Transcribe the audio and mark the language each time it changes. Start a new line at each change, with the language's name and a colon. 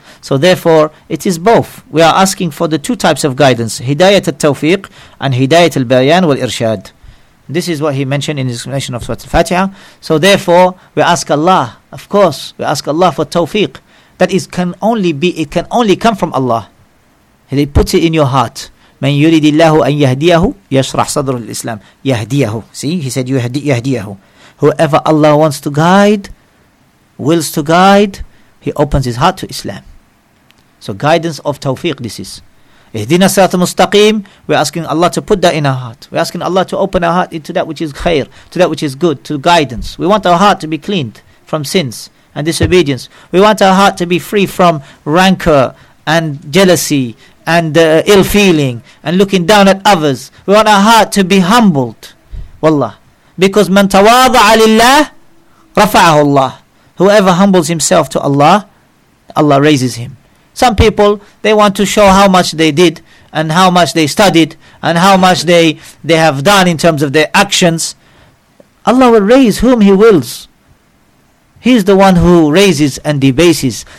English: So therefore, it is both. We are asking for the two types of guidance, hidayat al-tawfiq and hidayat al-bayan wal-irshad. This is what he mentioned in his explanation of Surah Al-Fatiha. So therefore, we ask Allah, of course, we ask Allah for tawfiq. It can only come from Allah. He puts it in your heart.
Arabic: من يريد الله أن يهديه يشرح صدر الإسلام. يهديه.
English: See, he said, يهديه. Whoever Allah wants to guide, wills to guide, he opens his heart to Islam. So guidance of tawfiq this is.
Arabic: اهدنا الصراط المستقيم.
English: We're asking Allah to put that in our heart. We're asking Allah to open our heart into that which is khair, to that which is good, to guidance. We want our heart to be cleaned from sins and disobedience. We want our heart to be free from rancor and jealousy and ill feeling and looking down at others. We want our heart to be humbled. Wallah. Because
Arabic: من تواضع لله رفعه الله.
English: Whoever humbles himself to Allah, Allah raises him. Some people, they want to show how much they did and how much they studied and how much they have done in terms of their actions. Allah will raise whom He wills. He is the one who raises and debases.